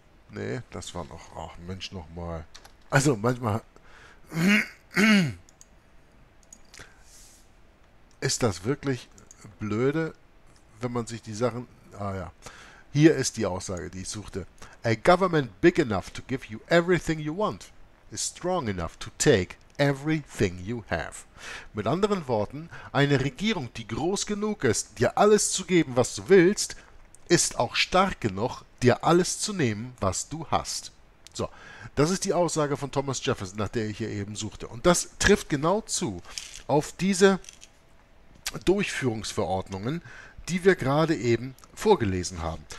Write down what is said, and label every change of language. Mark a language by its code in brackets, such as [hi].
[de] Nee, das war noch, ach Mensch, noch mal. Also manchmal... Ist das wirklich blöde, wenn man sich die Sachen... Ah ja, hier ist die Aussage, die ich suchte. [en] A government big enough to give you everything you want is strong enough to take everything you have. [de] Mit anderen Worten, eine Regierung, die groß genug ist, dir alles zu geben, was du willst, ist auch stark genug, dir alles zu nehmen, was du hast. So, das ist die Aussage von Thomas Jefferson, nach der ich hier eben suchte. Und das trifft genau zu auf diese... Durchführungsverordnungen, die wir gerade eben vorgelesen haben.